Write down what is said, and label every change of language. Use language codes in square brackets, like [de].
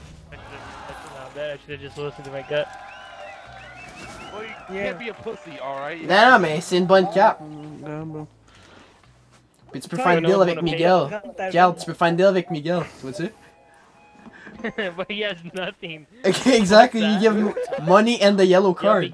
[en] That's not bad. I should have just listened to my gut. Well, you can't be a pussy, alright? Nah, [fr] mais c'est une bonne cap. Oh, puis tu peux faire un deal avec Miguel. Gal, tu peux faire un deal avec Miguel. Tu vois ça? [en] But he has nothing. Okay, exactly, you give him money and the yellow card.